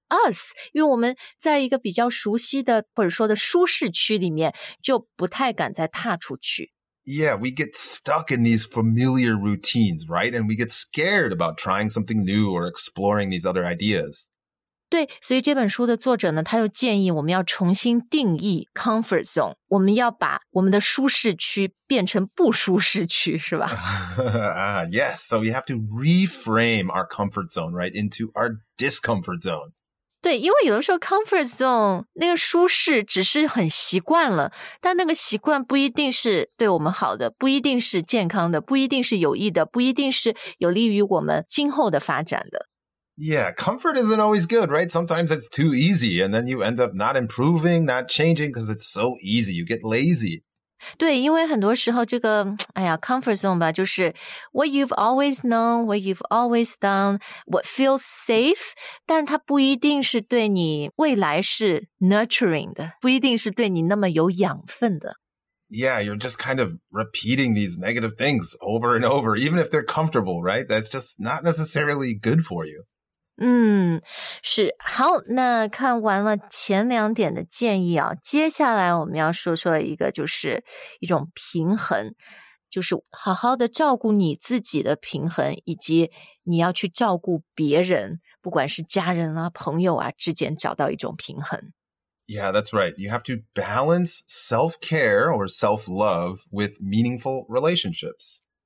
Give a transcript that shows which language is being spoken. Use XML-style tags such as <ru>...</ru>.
<zh>us， 因为我们在一个比较熟悉的或者说的舒适区里面，就不太敢再踏出去。</zh> <en>Yeah, we get stuck in these familiar routines, right? And we get scared about trying something new or exploring these other ideas.</en> <zh>对，所以这本书的作者呢，他又建议我们要重新定义 comfort zone， 我们要把我们的舒适区变成不舒适区，是吧？</zh> <en>yes, so we have to reframe our comfort zone, right, into our discomfort zone.</en> <zh>对，因为有的时候 comfort zone 那个舒适只是很习惯了，但那个习惯不一定是对我们好的，不一定是健康的，不一定是有益的，不一定是有利于我们今后的发展的。</zh> <en>Yeah, comfort isn't always good, right? Sometimes it's too easy, and then you end up not improving, not changing, because it's so easy, you get lazy.</en> <zh>对，因为很多时候这个，哎呀 comfort zone 吧，就是</zh> <en>what you've always known, what you've always done, what feels safe,</en> <zh>但它不一定是对你未来是 nurturing 的，不一定是对你那么有养分的。</zh> <en>Yeah, you're just kind of repeating these negative things over and over, even if they're comfortable, right? That's just not necessarily good for you.</en> <zh>嗯，是，好，那看完了前两点的建议啊，接下来我们要说说一个，就是一种平衡，就是好好的照顾你自己的平衡，以及你要去照顾别人，不管是家人啊、朋友啊之间找到一种平衡。</zh> <en>Yeah, that's right. You have to balance self-care or self-love with meaningful relationships.</en>